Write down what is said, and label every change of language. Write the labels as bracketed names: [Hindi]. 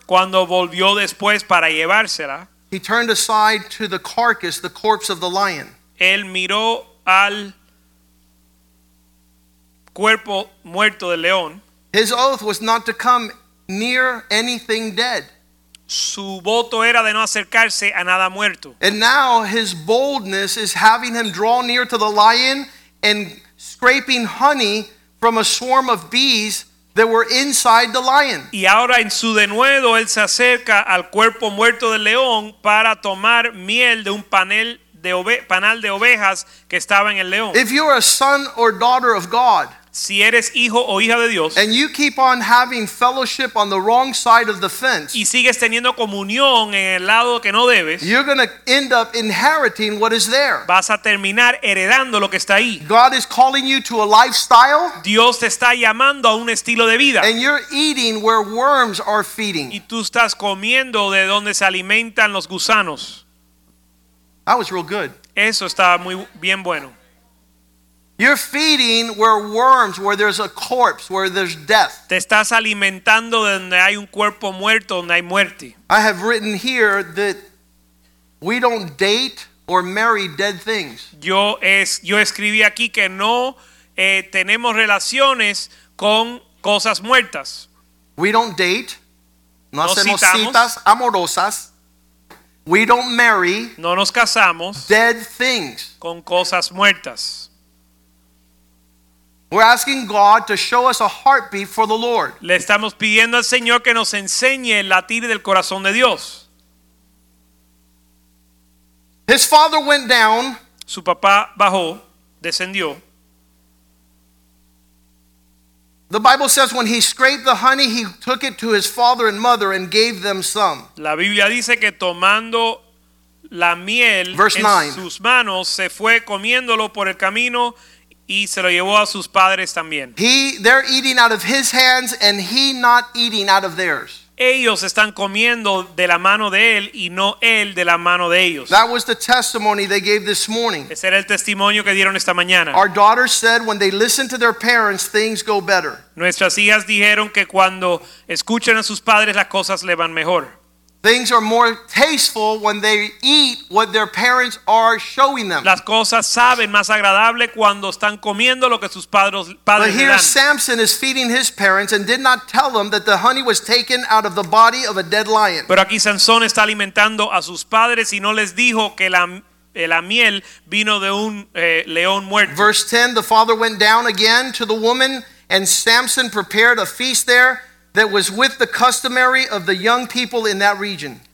[Spanish] cuando volvió después para llevársela, [English] he turned aside to the carcass, the corpse of the lion. [Spanish] Él miró al cuerpo muerto del león. [English] His oath was not to come near anything dead. [Spanish] Su voto era de no acercarse a nada muerto. [English] And now his boldness is having him draw near to the lion and scraping honey from a swarm of bees that were inside the lion. [Spanish] Y ahora en su denuedo él se acerca al cuerpo muerto del león para tomar miel de un panal de ovejas que estaba en el león. [English] If you're a son or daughter of God, [Spanish] si eres hijo o hija de Dios, [English] and you keep on having fellowship on the wrong side of the fence, [Spanish] y sigues teniendo comunión en el lado que no debes, [English] you're going to end up inheriting what is there. [Spanish] Vas a terminar heredando lo que está ahí. [English] God is calling you to a lifestyle. [Spanish] Dios te está llamando a un estilo de vida. [English] And you're eating where worms are feeding. [Spanish] Y tú estás comiendo de donde se alimentan los gusanos. [English] That was real good. [Spanish] Eso estaba muy bien bueno. [English] You're feeding where worms, where there's a corpse, where there's death. [Spanish] Te estás alimentando donde hay un cuerpo muerto, donde hay muerte. [English] I have written here that we don't date or marry dead things. [Spanish] Yo escribí aquí que no tenemos relaciones con cosas muertas. [English] We don't date. [Spanish] No hacemos citas amorosas. [English] We don't marry [Spanish] no nos casamos [English] dead things [Spanish] con cosas muertas. [English] We're asking God to show us a heartbeat for the Lord. [Spanish] Le estamos pidiendo al Señor que nos enseñe el latir del corazón de Dios. [English] His father went down. [Spanish] Su papá bajó, descendió. [English] The Bible says when he scraped the honey, he took it to his father and mother and gave them some. [Spanish] La Biblia dice que tomando la miel en sus manos, se fue comiéndolo por el camino y se lo llevó a sus padres también. [English] They're eating out of his hands and he not eating out of theirs. [Spanish] Ellos están comiendo de la mano de él y no él de la mano de ellos. [English] That was the testimony they gave this morning. [Spanish] Ese era el testimonio que dieron esta mañana. [English] Our daughters said when they listen to their parents, things go better. [Spanish] Nuestras hijas dijeron que cuando escuchan a sus padres las cosas le van mejor. [English] Things are more tasteful when they eat what their parents are showing them. [Spanish] Las cosas saben más agradable cuando están comiendo lo que sus padres le dan. [English] But here Samson is feeding his parents and did not tell them that the honey was taken out of the body of a dead lion. [Spanish] Pero aquí Sansón está alimentando a sus padres y no les dijo que la miel vino de un león muerto. [English] Verse 10, the father went down again to the woman and Samson prepared a feast there. That was with the customary of the young people in that region.